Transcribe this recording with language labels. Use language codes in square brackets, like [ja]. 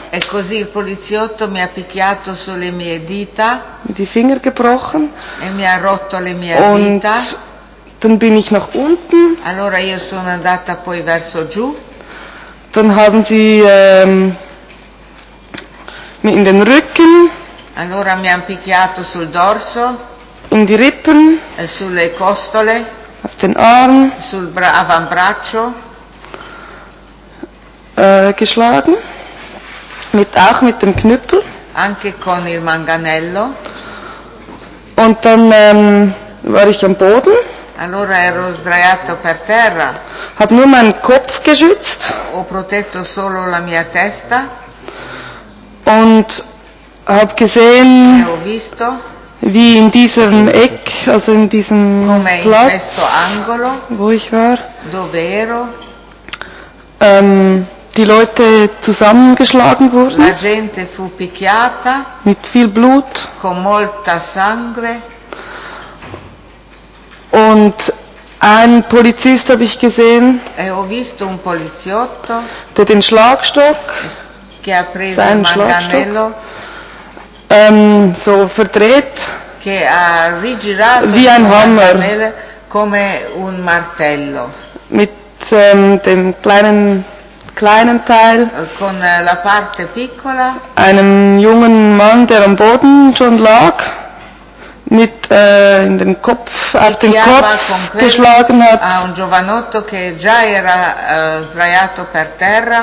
[it] E così il poliziotto mi ha picchiato sulle mie dita. [de] Die Finger gebrochen. [it] E mi ha rotto le mie dita. [de] Und dann bin ich nach unten. [it] Allora io sono andata poi verso giù. [de] Dann haben sie mir in den Rücken. [it] Allora mi han picchiato sul dorso. [de] In die Rippen. [it] E sulle costole. [de] Auf den Arm. [it] Sul avambraccio. [de] Geschlagen. Mit, auch mit dem Knüppel. [it] Anche con il manganello. [de] Und dann war ich am Boden. [it] Allora ero sdraiato per terra. [de] Hab nur meinen Kopf geschützt. [it] Ho protetto solo la mia testa. [de] Und hab gesehen, wie in diesem Eck, also in diesem [it] come [de] Platz, [it] in questo angolo, [de] wo ich war, [it] dove ero, [de] die Leute zusammengeschlagen wurden. [it] La gente fu picchiata, [de] mit viel Blut. [it] Con molta sangue. [de] Und ein Polizist habe ich gesehen, [it] e ho visto un poliziotto, [de] der den Schlagstock, [it] che ha preso [de] seinen Manganello, Schlagstock, so verdreht, [it] che ha rigirato [de] wie ein Hammer, [it] come un martello, [de] mit dem kleinen Teil, [it] con la parte piccola, [de] einem jungen Mann, der am Boden schon lag, mit in den Kopf, auf den Kopf geschlagen hat, [it] a un giovanotto che già era sdraiato per terra,